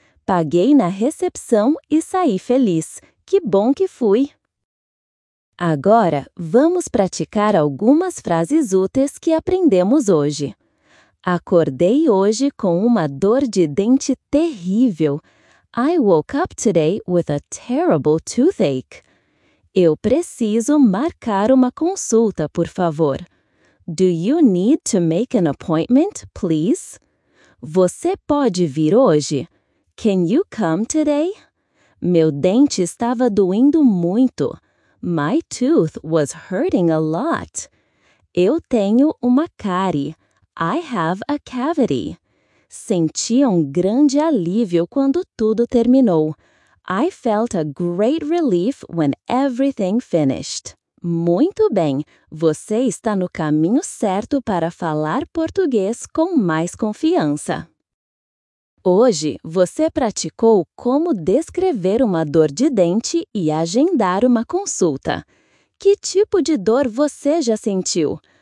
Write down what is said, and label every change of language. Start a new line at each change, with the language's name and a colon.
Portuguese: Paguei na recepção e saí feliz. Que bom que fui! Agora, vamos praticar algumas frases úteis que aprendemos hoje. Acordei hoje com uma dor de dente terrível.
English: I woke up today with a terrible toothache.
Portuguese: Eu preciso marcar uma consulta, por favor.
English: Do you need to make an appointment, please?
Portuguese: Você pode vir hoje?
English: Can you come today?
Portuguese: Meu dente estava doendo muito.
English: My tooth was hurting a lot.
Portuguese: Eu tenho uma cárie.
English: I have a cavity.
Portuguese: Senti um grande alívio quando tudo terminou.
English: I felt a great relief when everything finished.
Portuguese: Muito bem, você está no caminho certo para falar português com mais confiança. Hoje, você praticou como descrever uma dor de dente e agendar uma consulta. Que tipo de dor você já sentiu?